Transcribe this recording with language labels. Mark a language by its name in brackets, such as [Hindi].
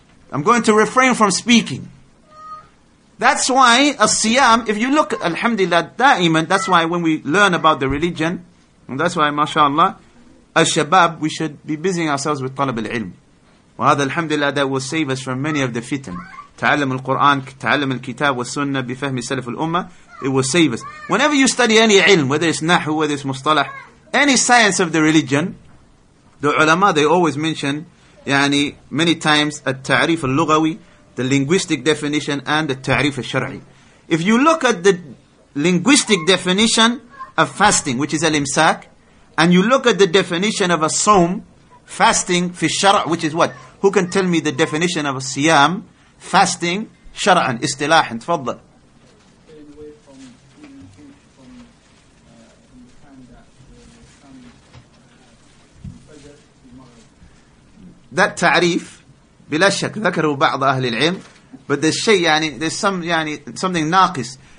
[English] I'm going to refrain from speaking. That's why al-siyam, if you look, alhamdulillah, da'iman, that's why when we learn about the religion, and that's why, mashallah, al-shabab, we should be busying ourselves with talab al-ilm. [Arabic] وهذا [English] alhamdulillah, that will save us from many of the fitan. [Arabic] تعلم القرآن, تعلم الكتاب والسنة بفهم سلف الأمة, [English] it will save us. Whenever you study any ilm, whether it's nahu, whether it's mustalah, any science of the religion, the ulama, they always mention, [Arabic] يعني [English] many times [Arabic] التعريف اللغوي [English] the linguistic definition and [Arabic] التعريف الشرعي [English] if you look at the linguistic definition of fasting which is الامساك and you look at the definition of a صوم fasting [Arabic] في الشرع [English] which is what who can tell me the definition of a صيام fasting [Arabic] شرعا استلاحا تفضل [English] That ta'rif, bila shak, [Arabic] ذكروا بعض أهل العلم, [English] but there's [Arabic] شيء, يعني, [English] there's some, [Arabic] يعني, [English] something naqis.